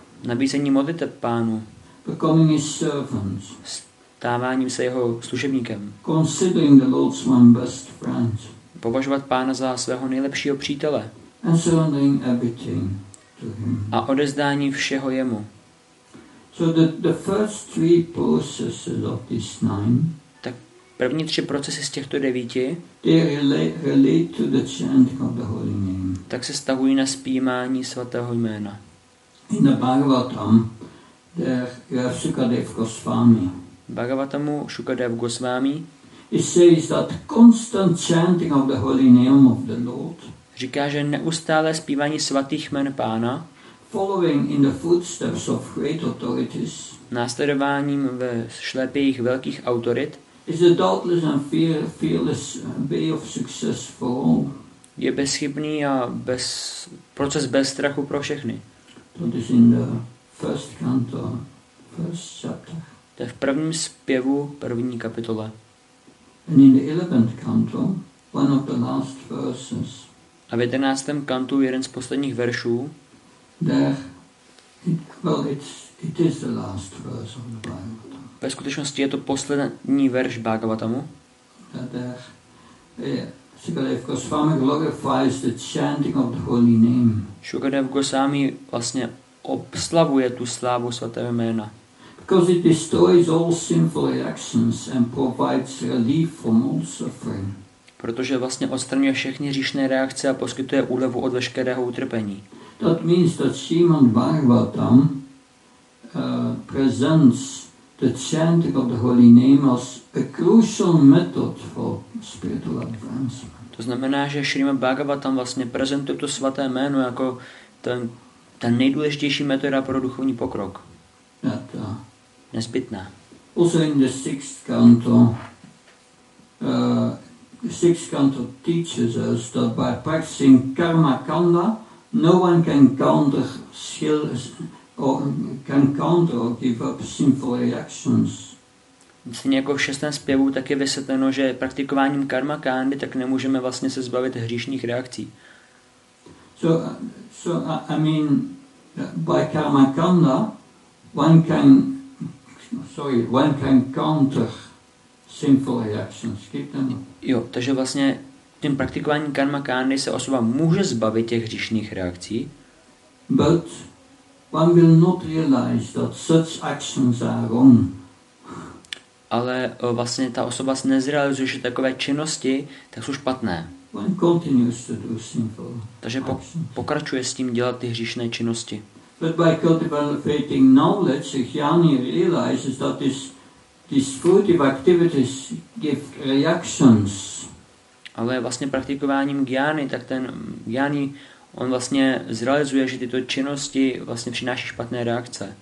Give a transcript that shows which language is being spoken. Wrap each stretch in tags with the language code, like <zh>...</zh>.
<cs>Nabízení modliteb pánu.</cs> <en>Becoming his servant.</en> <cs>Stáváním se jeho služebníkem.</cs> <en>Considering the Lord's one best friend.</en> <cs>Považovat pána za svého nejlepšího přítele.</cs> <en>And surrendering everything to him.</en> <cs>A odezdání všeho jemu.</cs> <en>So the first three processes of this nine,</en> <cs>tak první tři procesy z těchto devíti,</cs> <en>they relate to the chanting of the holy name.</en> <cs>Tak se stahují na zpívání svatého jména.</cs> <en>In the Bhagavatam, there is Shukadev Goswami.</en> <cs>Bhagavatamu Shukadev Goswami.</cs> <en>It says that constant chanting of the holy name of the Lord.</en> <cs>Říká, že neustále zpívání svatých jmen pána</cs> <en>following in the footsteps of great authorities.</en> <cs>Následováním ve šlepějích velkých autorit.</cs> <en>Is a doubtless and fearless way of success for all.</en> <cs>Je bezchybný a bez proces bez strachu pro všechny.</cs> <en>That is in the first canto, first chapter.</en> <cs>To je v prvním zpěvu, první kapitole.</cs> <en>And in the 11th canto, one of the last verses.</en> <cs>A v 11. kantu jeden z posledních veršů.</cs> <en>It is the last verse of the Bhagavatam.</en> <cs>Ve skutečnosti je to poslední verš Bhagavatamu.</cs> <en>Sukadev Goswami glorifies the chanting of the holy name.</en> <cs>Sukadev Goswami vlastně oslavuje tu slávu svatého jména.</cs> <en>Because it destroys all sinful reactions and provides relief from all suffering.</en> <cs>Protože vlastně odstraňuje všechny hříšné reakce a poskytuje úlevu od veškerého utrpení.</cs> <en>That means that Srimad Bhagavatam presents the chanting of the holy name as a crucial method for spiritual advancement.</en> <cs>To znamená, že Srimad Bhagavatam vlastně prezentuje to svaté jméno jako ten nejdůležitější metoda pro duchovní pokrok. Nezbytná.</cs> <en>Also in the sixth canto, the sixth canto teaches us that by practicing karma kanda, no one can counter or give up sinful reactions.</en> <cs>Stejně jako v šestém zpěvu, tak je vysvětleno, že praktikováním karma kandy, tak nemůžeme vlastně se zbavit hříšných reakcí.</cs> <en>So, I mean, by karma kanda, one can counter. Sinful reactions. Keep them.</en> <cs>Jo, takže vlastně tím praktikováním karma kandy se osoba může zbavit těch hříšných reakcí.</cs> <en>But one will not realize that such actions are wrong.</en> <cs>Ale vlastně ta osoba se nezrealizuje, že takové činnosti tak jsou špatné.</cs> <en>One continues to do sinful actions.</en> <cs>Takže pokračuje s tím dělat ty hříšné činnosti.</cs> <en>But by cultivating knowledge, the jnani realizes that this disputive activities give reactions.</en> <cs>Ale vlastně praktikováním gyány, tak ten gyány, on vlastně zrealizuje, že tyto činnosti vlastně přináší špatné reakce.</cs>